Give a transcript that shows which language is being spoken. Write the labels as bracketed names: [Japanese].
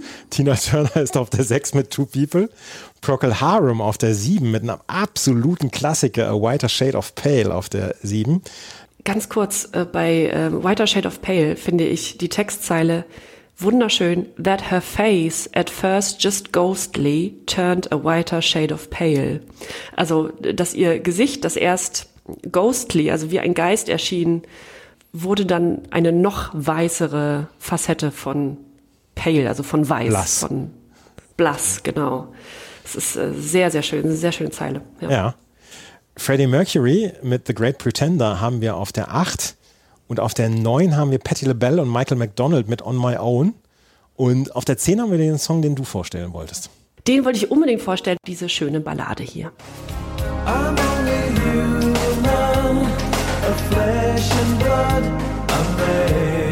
[German] Tina Turner ist auf der 6 mit Two People. Procol Harum auf der 7 mit einem absoluten Klassiker, A Whiter Shade of Pale auf der 7. Ganz kurz, bei Whiter Shade of Pale finde ich die Textzeile wunderschön. [English] That her face at first just ghostly turned a whiter shade of pale. [German] Also, dass ihr Gesicht, das erst ghostly, also wie ein Geist erschien, wurde dann eine noch weißere Facette von pale, also von weiß. Blass. Von blass, genau. Es ist sehr, sehr schön, eine sehr schöne Zeile. Ja. Ja. Freddie Mercury mit The Great Pretender haben wir auf der 8 und auf der 9 haben wir Patti LaBelle und Michael McDonald mit On My Own und auf der 10 haben wir den Song, den du vorstellen wolltest. Den wollte ich unbedingt vorstellen, diese schöne Ballade hier. [English] I'm only human, a flesh and blood I'm made.